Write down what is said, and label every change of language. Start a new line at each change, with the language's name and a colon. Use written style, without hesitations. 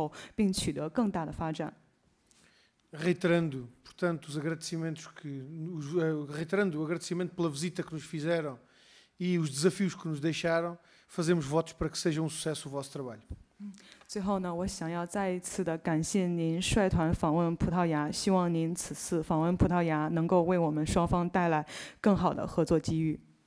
Chinese: 并且呢，刚刚呢，我们也都提到了两个国家可以说是在各个行业、各个领域之间都取得了非常好的合作的发展势头。我们也衷心的希望，不管是在经济领域、文化领域、社会领域、教育领域，还是在其他的行业和领域，两个国家之间能够继续保持这样一个前进的势头，并取得更大的发展。
Portuguese: Reiterando o agradecimento pela visita que nos fizeram e os desafios que nos deixaram, fazemos votos para que seja um sucesso o vosso trabalho.
Chinese: 最后呢，我想要再一次的感谢您率团访问葡萄牙，希望您此次访问葡萄牙能够为我们双方带来更好的合作机遇。